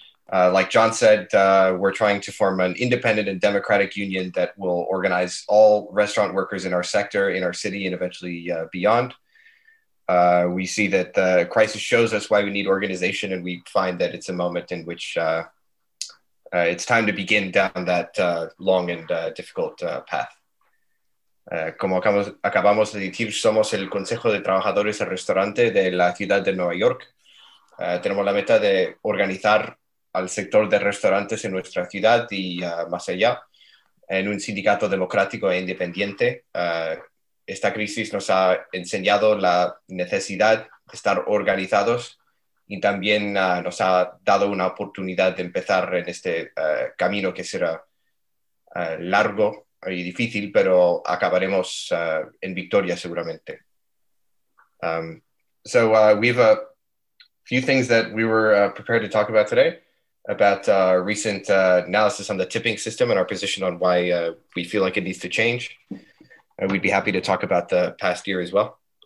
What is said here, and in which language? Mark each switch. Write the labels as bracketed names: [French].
[English] Like John said, we're trying to form an independent and democratic union that will organize all restaurant workers in our sector, in our city, and eventually beyond. We see that the crisis shows us why we need organization, and we find that it's a moment in which it's time to begin down that long and difficult path. [Spanish] Como acabamos de decir, somos el Consejo de Trabajadores y Restaurantes de la ciudad de Nueva York. Tenemos la meta de organizar al sector de restaurantes en nuestra ciudad y más allá, en un sindicato democrático e independiente. Esta crisis nos ha enseñado la necesidad de estar organizados y también nos ha dado una oportunidad de empezar en este camino que será largo y difícil, pero acabaremos en victoria seguramente. [English] We have a few things that we were prepared to talk about today. About recent analysis on the tipping system and our position on why we feel like it needs to change. We'd be happy to talk about the past year as well.